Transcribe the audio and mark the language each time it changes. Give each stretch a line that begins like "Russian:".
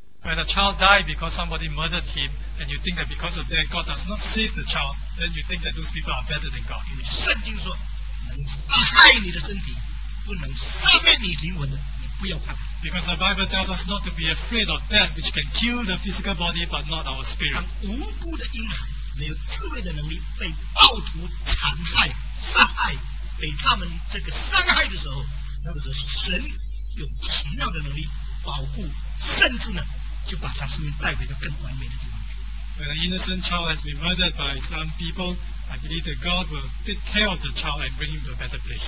English: when a child died because somebody murdered him, and you think that because of that God does not save the child, then you think that those people are better than God.
Chinese: 因为圣经说，能杀害你的身体，不能杀灭你灵魂的，你不要怕。
English: Because the Bible tells us not to be afraid of death, which can kill the physical body but not our spirit.
Chinese: 无辜的婴孩没有智慧的能力被暴徒残害、杀害，被他们这个伤害的时候，那个时候神有奇妙的能力保护，甚至呢就把他生命带回到更完美的地方去。
English: When an innocent child has been murdered by some people, I believe that God will take care of the child and bring him to a better place.